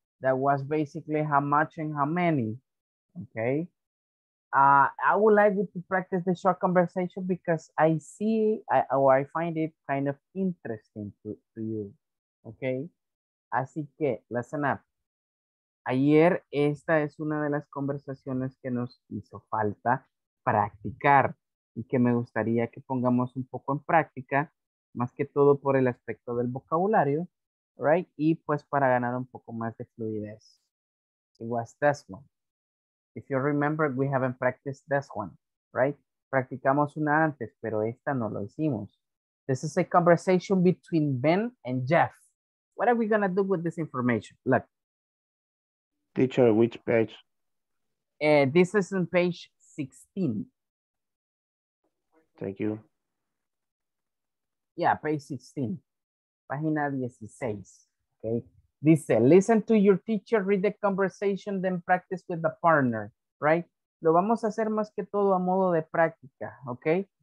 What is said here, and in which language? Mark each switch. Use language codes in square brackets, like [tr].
[en] That was basically how much and how many, okay? I would like you to practice the short conversation because I find it kind of interesting to you, okay? [es] Así que, [en] listen up. [es] Ayer, esta es una de las conversaciones que nos hizo falta practicar y que me gustaría que pongamos un poco en práctica, más que todo por el aspecto del vocabulario, right? Y pues para ganar un poco más de fluidez. [en] It was this one. If you remember, we haven't practiced this one, right? [es] Practicamos una antes, pero esta no lo hicimos. [en] This is a conversation between Ben and Jeff. What are we going to do with this information? Look. Teacher, which page? This is on page 16. Thank you. Yeah, page 16, [es] página 16, [en] okay? [es] Dice, [en] listen to your teacher, read the conversation, then practice with the partner, right? [es] Lo vamos a hacer más que todo a modo de práctica, okay?